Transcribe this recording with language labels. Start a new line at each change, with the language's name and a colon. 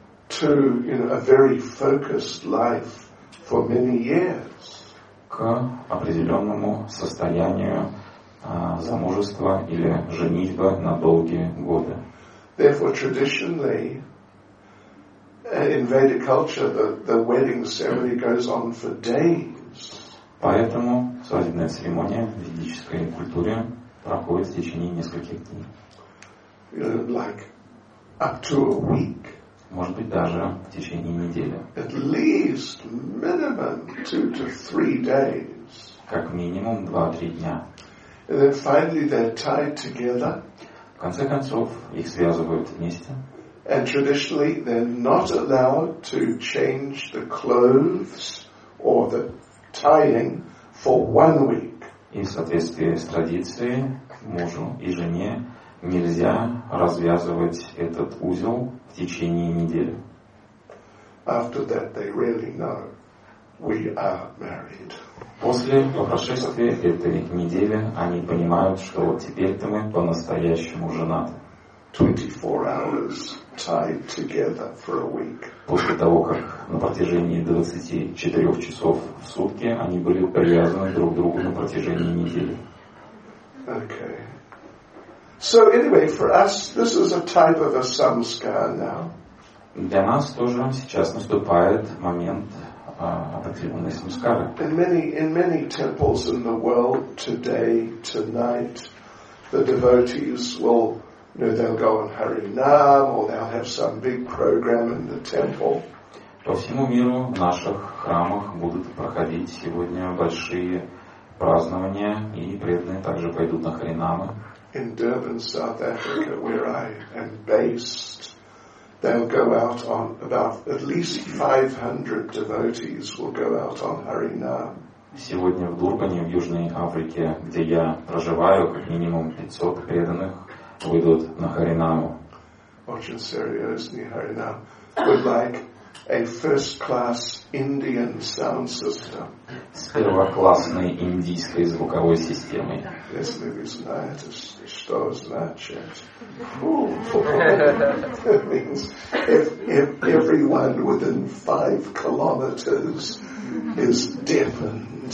English: To, you know, a very focused life for many years.
Russian: К определенному состоянию замужества или женитьба на долгие годы.
English: Therefore, traditionally, in Vedic culture, the wedding ceremony goes on for days.
Russian: Поэтому свадебная церемония в ведической культуре проходит в течение нескольких дней.
English: Like up to a week.
Russian: Может быть, даже в течение недели.
English: At least minimum 2 to 3 days.
Russian: Как минимум 2-3 дня.
English: And then finally they're tied together.
Russian: В конце концов, их связывают вместе.
English: And traditionally they're not allowed to change the clothes or the tying for 1 week.
Russian: И в соответствии с традицией мужу и жене нельзя развязывать этот узел в течение недели.
English: After that they really know we are married.
Russian: После, по прошествии этой недели, они понимают, что вот теперь-то мы по-настоящему женаты.
English: 24 hours tied together for a week.
Russian: После того, как на протяжении 24 часов в сутки они были привязаны друг к другу на протяжении недели.
English: Okay. So anyway, for us this is a type of a samskara now.
Russian: Для нас тоже сейчас наступает момент определенной самскары.
English: In many temples in the world today, tonight, the devotees will, you know, they'll go on Harinam or they'll have some big program in the temple.
Russian: По всему миру в наших храмах будут проходить сегодня большие празднования, и преданные также пойдут на Харинамы.
English: In Durban, South Africa, where I am based, they'll go out on, about at least 500 devotees will go out on Harinam.
Russian: Сегодня в Дурбане, в Южной Африке, где я проживаю, как минимум 500 преданных выйдут на Харинаму. Очень серьезный Харинам.
English: Would like a first-class Indian sound system.
Russian: С первоклассной индийской звуковой системой. Если вы знаете, что значит.
English: That means if everyone within 5 kilometers is deafened.